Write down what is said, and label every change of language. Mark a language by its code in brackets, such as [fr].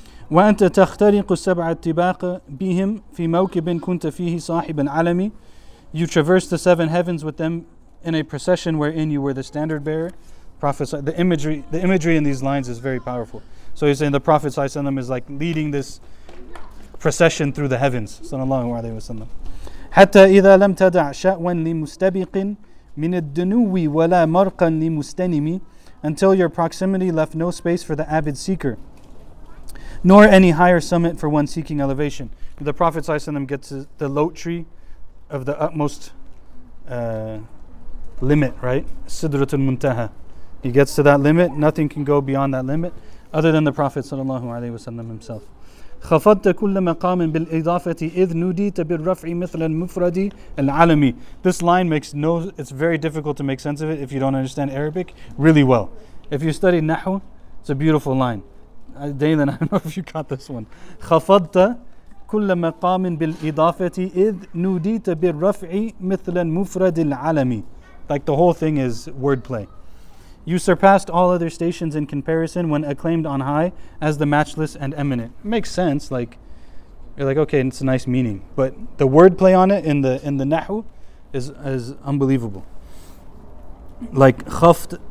[ar] وَأَنْتَ تَخْتَرِقُ السَّبْعَ اتِّبَاقَ بِهِمْ فِي مَوْكِبٍ كُنْتَ فِيهِ صَاحِبًا عَلَمِي. [en] You traverse the seven heavens with them in a procession wherein you were the standard bearer. Prophet, the imagery in these lines is very powerful. So he's saying the Prophet ﷺ is like leading this procession through the heavens. Sallallahu alayhi wasallam. [ar] حتى إذا لم تدع شأوا لمستبق من الدنو ولا مرقا لمستنم. [en] Until your proximity left no space for the avid seeker, nor any higher summit for one seeking elevation. The Prophet ﷺ gets the lote tree of the utmost limit, right? Sidratul Muntaha. He gets to that limit, nothing can go beyond that limit other than the Prophet ﷺ himself. [ar] خفضت كل مقام بالإضافة إذ نوديت بالرفع مثل المفرد العالمي. [en] This line makes no, it's very difficult to make sense of it if you don't understand Arabic really well. If you study Nahu, it's a beautiful line. Dalen, I don't know if you got this one. [ar] خفضت كل مقام بالإضافة إذ نوديت بالرفع مثل المفرد العالمي. [en] Like the whole thing is wordplay. You surpassed all other stations in comparison when acclaimed on high as the matchless and eminent. It makes sense, like you're like, okay, it's a nice meaning. But the wordplay on it in the Nahu is unbelievable. Like khaft